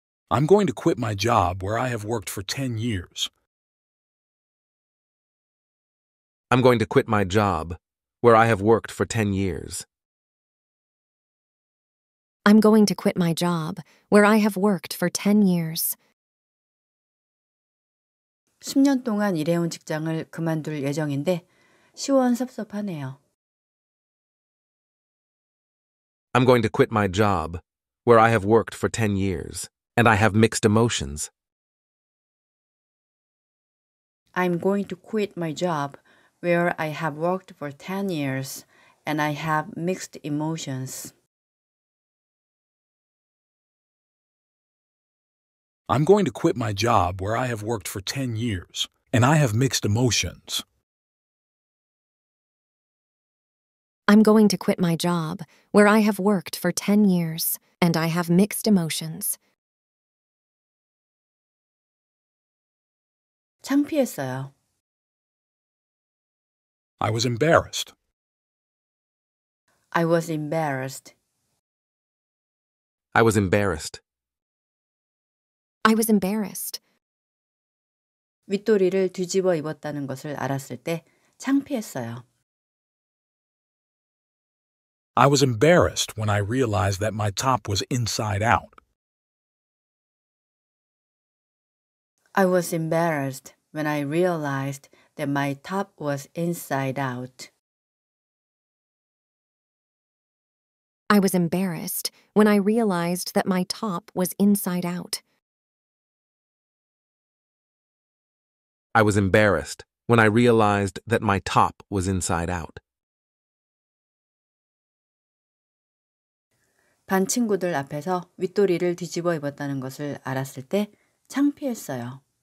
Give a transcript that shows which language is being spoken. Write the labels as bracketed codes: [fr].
[en] I'm going to quit my job where I have worked for 10 years. I'm going to quit my job where I have worked for 10 years. I'm going to quit my job where I have worked for 10 years. [ko] 10년 동안 일해온 직장을 그만둘 예정인데 시원섭섭하네요. [en] I'm going to quit my job where I have worked for 10 years. And I have mixed emotions. I'm going to quit my job where I have worked for 10 years and I have mixed emotions. I'm going to quit my job where I have worked for 10 years and I have mixed emotions. I'm going to quit my job where I have worked for 10 years and I have mixed emotions. [ko] 창피했어요. [en] I was embarrassed. I was embarrassed. I was embarrassed. I was embarrassed. [ko] 윗도리를 뒤집어 입었다는 것을 알았을 때 창피했어요. [en] I was embarrassed when I realized that my top was inside out. I was embarrassed when I realized that my top was inside out. I was embarrassed when I realized that my top was inside out. I was embarrassed when I realized that my top was inside out. [ko] 반 친구들 앞에서 윗도리를 뒤집어 입었다는 것을 알았을 때 창피했어요.